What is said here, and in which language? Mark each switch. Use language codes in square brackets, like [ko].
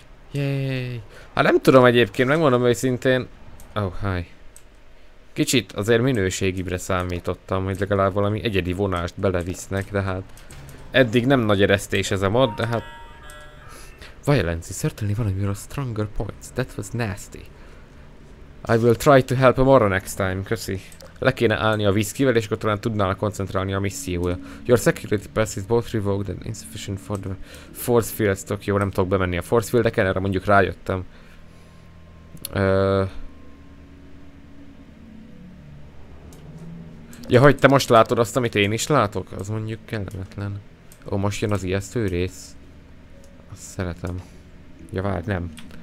[hu] Jéj. Hát nem tudom egyébként, megmondom őszintén. [en] Oh, hi. [hu] Kicsit azért minőségibre számítottam, hogy legalább valami egyedi vonást belevisznek, de hát eddig nem nagy eresztés ez a mod, de hát [en] Violence, certainly one of your stronger points. That was nasty. I will try to help more next time, köszi. [hu] Le kéne állni a viszkivel, és akkor talán tudnál koncentrálni a missziója. [en] Your security pass is both revoked and insufficient for the force field. [hu] Ez tök jó, nem tudok bemenni a force fieldeken, erre mondjuk rájöttem. Ja, hogy te most látod azt, amit én is látok? Az mondjuk kellemetlen. Ó, most jön az ijesztő rész. Azt szeretem. Ja, várj, nem.